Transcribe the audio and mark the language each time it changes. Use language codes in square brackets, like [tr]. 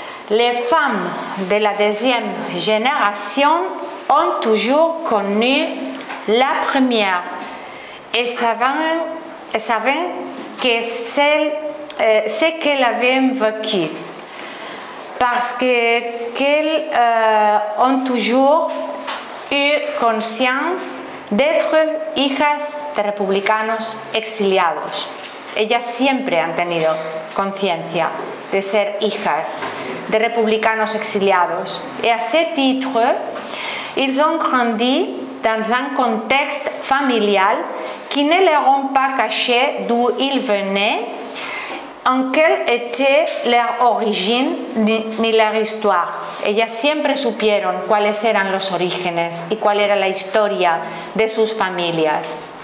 [fr] Les femmes de la deuxième génération ont toujours connu la première et savaient que celle ce qu'elles avaient vécu, parce qu'elles ont toujours eu conscience d'être [es] hijas de republicanos exiliados. Ellas siempre han tenido conciencia de ser hijas de republicanos exiliados. [fr] Et à ce titre, ils ont grandi dans un contexte familial qui ne leur ont pas caché d'où ils venaient, en quelle était leur origine ni leur histoire. [es] Ellas siempre supieron cuáles eran los orígenes y cuál era la historia de sus familias.